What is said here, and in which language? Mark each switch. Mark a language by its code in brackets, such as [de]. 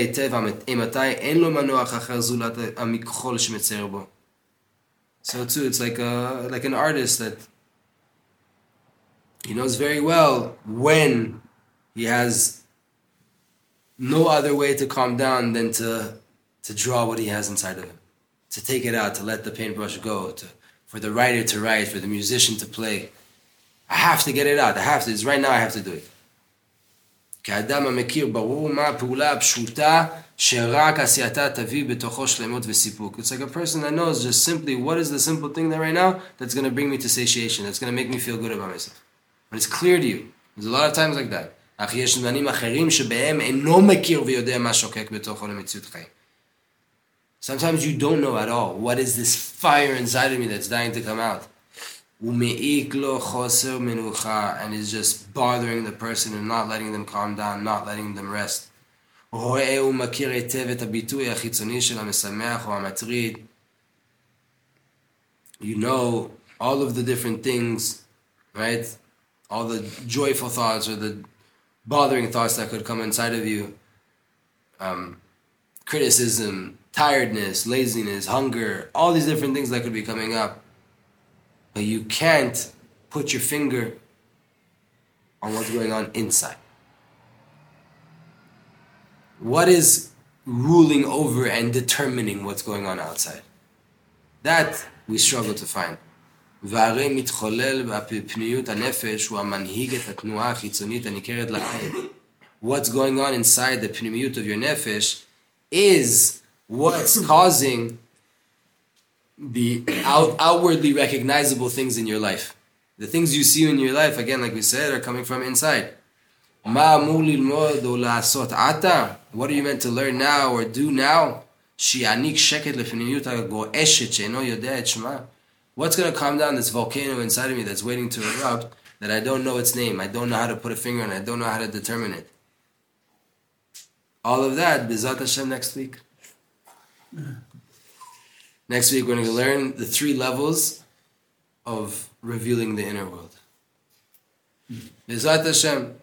[en] So too, it's like an artist that he knows very well when he has no other way to calm down than to draw what he has inside of him. To take it out, to let the paintbrush go, for the writer to write, for the musician to play. I have to get it out. I have to. It's right now I have to do it. [he] כאדם המכיר ברור מה הפעולה הפשוטה שרק עשייתה תביא בתוכו שלמות וסיפוק. [en] It's like a person that knows just simply what is the simple thing that right now that's going to bring me to satiation, that's going to make me feel good about myself. But it's clear to you. There's a lot of times like that. [he] אך יש זמנים אחרים שבהם אינו מכיר ויודע מה שוקק בתוכו למציאות חיים. [en] Sometimes you don't know at all what is this fire inside of me that's dying to come out. [he] ומעיק לו חוסר מנוחה, [en] and it's just bothering the person and not letting them calm down, not letting them rest. [he] רואה ומכיר היטב את הביטוי החיצוני של המשמח או המטריד. [en] You know all of the different things, right? All the joyful thoughts or the bothering thoughts that could come inside of you. Criticism, tiredness, laziness, hunger, all these different things that could be coming up. But you can't put your finger on what's going on inside. What is ruling over and determining what's going on outside? That we struggle to find. [he] והרי מתחולל בפניות הנפש הוא המנהיג את התנועה החיצונית הניכרת לחיים. [en] What's going on inside the פנימיות of your nefesh is what's causing the outwardly recognizable things in your life. The things you see in your life, again, like we said, are coming from inside. [he] מה אמור ללמוד או לעשות עתה? [en] What are you meant to learn now or do now? [he] שיעניק שקט לפנימיות הגועשת שאינו יודע את שמה. [en] What's going to calm down this volcano inside of me that's waiting to erupt that I don't know its name, I don't know how to put a finger on it, I don't know how to determine it? All of that, Bezat Hashem, next week. Next week we're going to learn the three levels of revealing the inner world. Bezat Hashem.